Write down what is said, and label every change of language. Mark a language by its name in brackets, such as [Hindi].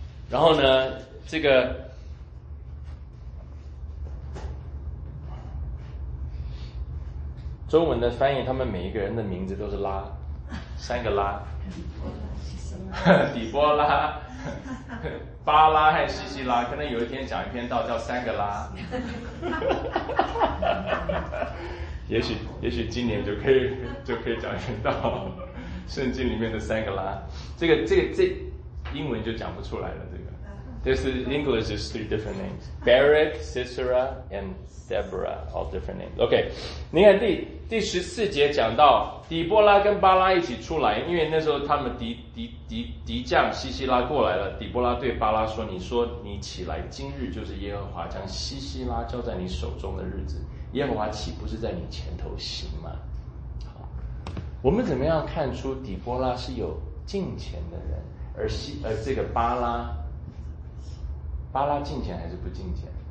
[Chinese] 然后呢，这个中文的翻译，他们每一个人的名字都是拉，三个拉，底波拉、巴拉和西西拉，可能有一天讲一篇道叫三个拉。也许今年就可以讲一篇道，圣经里面的三个拉，这英文就讲不出来了。 [English] 这个 This is English is three different names: Barak, Sisera, and Deborah, all different names. [Chinese] OK， 你看第十四节讲到底波拉跟巴拉一起出来，因为那时候他们敌将西西拉过来了。底波拉对巴拉说：“你说你起来，今日就是耶和华将西西拉交在你手中的日子。” 耶和华岂不是在你前头行吗？好，我们怎么样看出底波拉是有敬虔的人，而这个巴拉敬虔还是不敬虔？